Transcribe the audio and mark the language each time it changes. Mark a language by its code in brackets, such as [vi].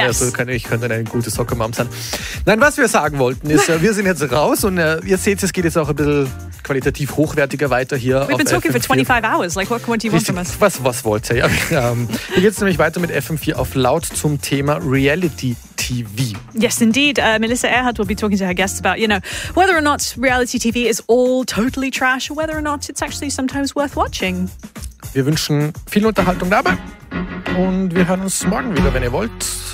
[de] Also ich könnte eine gute Sockemam sein. Nein, was wir sagen wollten ist, wir sind jetzt raus und ihr seht, es geht jetzt auch ein bisschen qualitativ hochwertiger weiter hier. [en] We've been talking for 25 hours. Like, what do you want from us? [de] Was wollt ihr? Ja, hier geht es nämlich weiter mit FM4 auf laut zum Thema Reality TV. [en] Yes, indeed. Melissa Earhart will be talking to her guests about, you know, whether or not reality TV is all totally trash or whether or not it's actually sometimes worth watching. [de] Wir wünschen viel Unterhaltung dabei und wir hören uns morgen wieder, wenn ihr wollt.